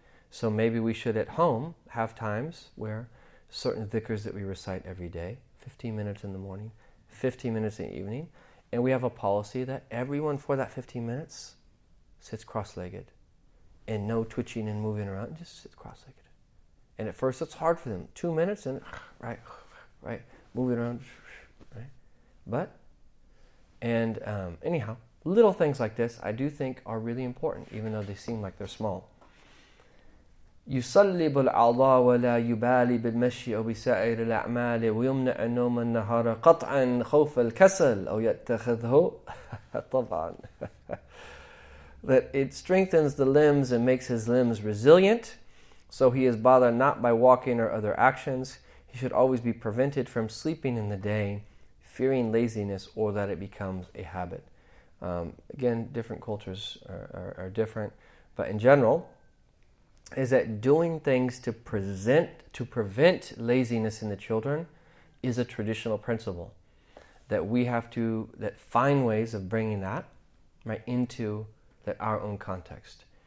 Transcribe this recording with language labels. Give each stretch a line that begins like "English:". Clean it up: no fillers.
English: So maybe we should at home have times where certain dhikrs that we recite every day, 15 minutes in the morning, 15 minutes in the evening, and we have a policy that everyone for that 15 minutes sits cross-legged and no twitching and moving around, just sits cross-legged. And at first it's hard for them. 2 minutes and right, moving around, right? But, and anyhow, little things like this I do think are really important, even though they seem like they're small.
Arabic: يصلي بالأعضاء ولا يبالي بالمشي أو بسائر الأعمال ويمنع النوم النهار قطعا خوف الكسل أو يتخذه طبعا.
English: That it strengthens the limbs and makes his limbs resilient, so he is bothered not by walking or other actions. He should always be prevented from sleeping in the day, fearing laziness or that it becomes a habit. Again, different cultures are different, but in general, is that doing things to prevent laziness in the children is a traditional principle that we have to find ways of bringing that right into that our own context.